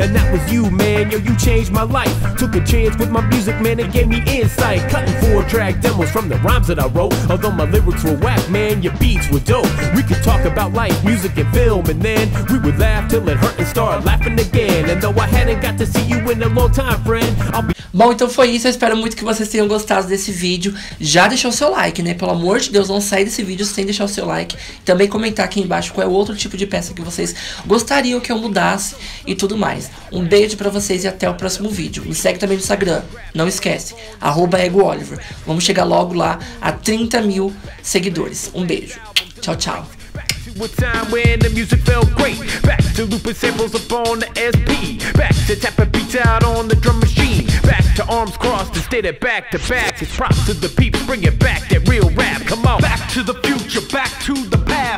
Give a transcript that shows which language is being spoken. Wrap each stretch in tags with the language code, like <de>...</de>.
<en>And that was you, man, yo, you changed my life. Took a chance with my music, man, it gave me insight. Cutting four-track demos from the rhymes that I wrote. Although my lyrics were whack, man, your beats were dope. We could talk about life, music, and film. And then we would laugh till it hurt and start laughing again. And though I hadn't got to see you in a long time, friend, I'll be...</en> <pt>Bom, então foi isso. Eu espero muito que vocês tenham gostado desse vídeo. Já deixou o seu like, né? Pelo amor de Deus, não sai desse vídeo sem deixar o seu like. Também comentar aqui embaixo qual é o outro tipo de peça que vocês gostariam que eu mudasse e tudo mais. Um beijo pra vocês e até o próximo vídeo. Me segue também no Instagram. Não esquece. @EgoOliver. Vamos chegar logo lá a 30 mil seguidores. Um beijo. Tchau, tchau.</pt> <en>To a time when the music felt great. Back to looping samples up on the SP. Back to tapping beats out on the drum machine. Back to arms crossed instead of back to back. It's props to the people, bring it back, that real rap. Come on. Back to the future, back to the past.</en>